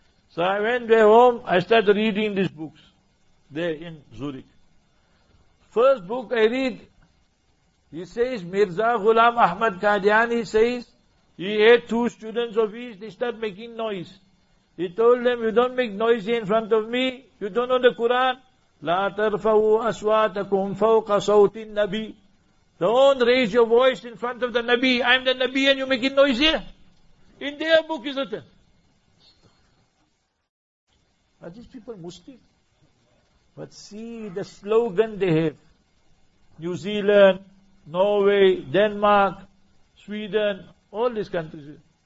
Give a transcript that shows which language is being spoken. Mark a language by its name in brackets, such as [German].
[English] So I went there home, I started reading these books there in Zurich. First book I read, he says, Mirza Ghulam Ahmad Qadiani says, he had two students of his, they start making noise. He told them, you don't make noisy in front of me. You don't know the Quran. [Arabic] لا ترفعوا أصواتكم فوق صوت النبي. [English] Don't raise your voice in front of the Nabi. I'm the Nabi and you make it noisy. In their book is written. Are these people Muslim? But see the slogan they have. New Zealand, Norway, Denmark, Sweden, all these countries.